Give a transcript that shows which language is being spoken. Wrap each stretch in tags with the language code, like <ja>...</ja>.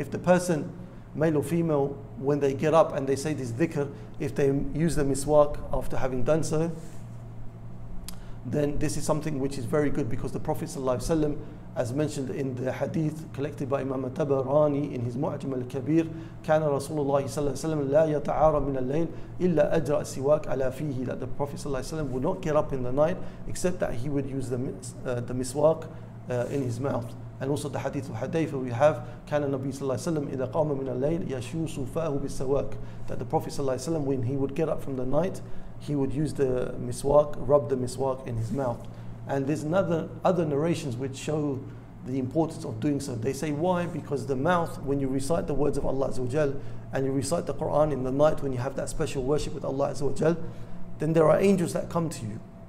<en>If the person, male or female, when they get up and they say this dhikr, if they use the miswak after having done so, then this is something which is very good, because the Prophet ﷺ, as mentioned in the hadith collected by Imam Tabarani in his Mu'jam al-Kabir,</en> <ar>كَانَ رَسُولُ اللَّهِ صَلَّى اللَّهُ عَلَيْهِ وَسَلَّمَ لَا يَتَعَارَ مِنَ اللَّيْلِ إِلَّا أَجْرَ السِّوَاكَ عَلَى فِيهِ.</ar> <en>That the Prophet ﷺ would not get up in the night except that he would use the miswak in his mouth. And also the hadith of Hadayfa we have,</en> <ar>كَانَ النَّبِي صَلَّى اللَّهُ عَلَيْهِ وَسَلَّمَ إِذَا قَامَ مِنَ اللَّيْلِ يَشُو صُفَاهُ بِالسَّوَاكِ.</ar> <en>That the Prophet ﷺ, when he would get up from the night, he would use the miswak, rub the miswak in his mouth. And there's other narrations which show the importance of doing so. They say, why? Because the mouth, when you recite the words of Allah Azza wa Jal, and you recite the Quran in the night when you have that special worship with Allah Azza wa Jal, then there are angels that come to you.</en>